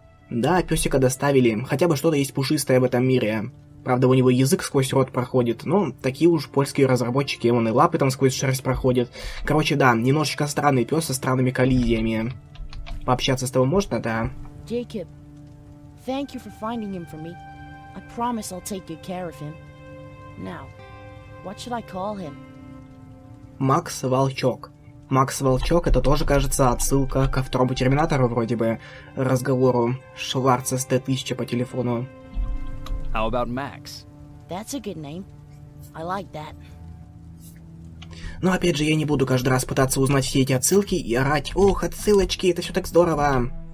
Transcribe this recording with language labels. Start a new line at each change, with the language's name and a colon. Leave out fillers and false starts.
Russian: Да, песика доставили. Хотя бы что-то есть пушистое в этом мире. Правда, у него язык сквозь рот проходит. Ну, такие уж польские разработчики, вон и лапы там сквозь шерсть проходят. Короче, да, немножечко странный пес со странными коллизиями. Пообщаться с тобой можно, да?
English: Jacob, thank you for finding him for me. I promise I'll take good care of him. Now, what should I call him?
Russian: Макс Волчок. Макс Волчок, это тоже, кажется, отсылка ко второму Терминатору, вроде бы, разговору Шварца с Т-1000 по телефону.
English: How about Max? That's a good name. I like that.
Russian: Но опять же, я не буду каждый раз пытаться узнать все эти отсылки и орать: «Ох, отсылочки, это все так здорово!»